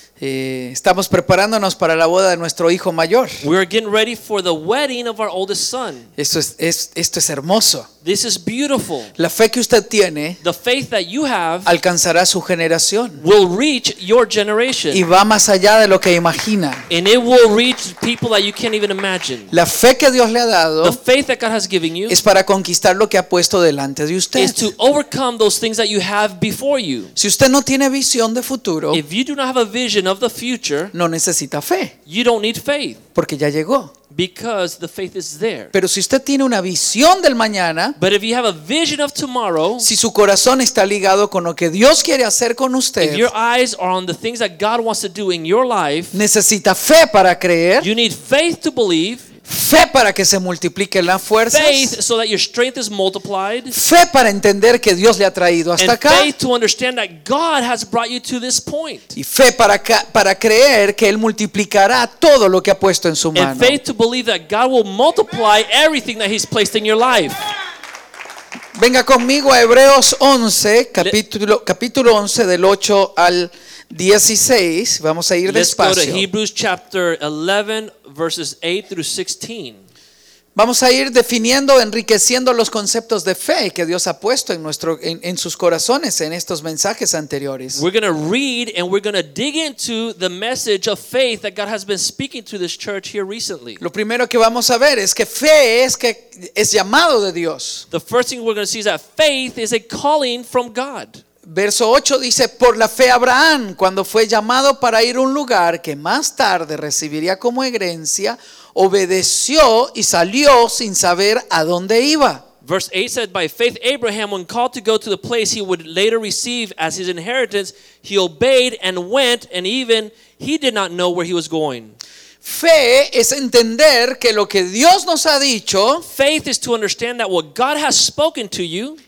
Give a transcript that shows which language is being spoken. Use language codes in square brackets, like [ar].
[es] Estamos preparándonos para la boda de nuestro hijo mayor. [en] We are getting ready for the wedding of our oldest son. [es] Esto es hermoso. [en] This is beautiful. [es] La fe que usted tiene, [en] the faith that you have, [es] alcanzará su generación. [en] Will reach your generation. [es] Y va más allá de lo que imagina. [en] And it will reach people that you can't even imagine. [es] La fe que Dios le ha dado, [en] the faith that God has given you, [es] es para conquistar lo que ha puesto delante de usted. [en] Is to overcome those things that you have before you. [es] Si usted no tiene visión de futuro, [en] if you do not have a vision of the future, [es] no necesita fe. [en] You don't need faith. [es] Porque ya llegó. [en] Because the faith is there. [es] Pero si usted tiene una visión del mañana, [en] but if you have a vision of tomorrow, [es] si su corazón está ligado con lo que Dios quiere hacer con usted, [en] if your eyes are on the things that God wants to do in your life, [es] necesita fe para creer. [en] You need faith to believe. [es] Fe para que se multipliquen las fuerzas. [en] Faith so that your strength is multiplied. [es] Fe para entender que Dios le ha traído hasta [en] and [es] acá. [en] And faith to understand that God has brought you to this point. [es] Y fe para creer que Él multiplicará todo lo que ha puesto en su mano. [en] And faith to believe that God will multiply everything that He's placed in your life. [es] Venga conmigo a Hebreos 11, capítulo 11 del 8 al 16. Vamos a ir despacio. [en] Let's go to Hebrews chapter 11, verses 8 through 16. [es] Vamos a ir definiendo, enriqueciendo los conceptos de fe que Dios ha puesto en nuestro, en sus corazones en estos mensajes anteriores. [en] We're going to read and we're going to dig into the message of faith that God has been speaking to this church here recently. [es] Lo primero que vamos a ver es que fe es que es llamado de Dios. [en] The first thing we're going to see is that faith is a calling from God. [es] Verso 8 dice, por la fe Abraham, cuando fue llamado para ir a un lugar que más tarde recibiría como herencia, obedeció y salió sin saber a dónde iba. [en] Verse 8 said, by faith Abraham, when called to go to the place he would later receive as his inheritance, he obeyed and went, and even he did not know where he was going. [es] Fe es entender que lo que Dios nos ha dicho, [en] faith is to understand that what God has spoken to you,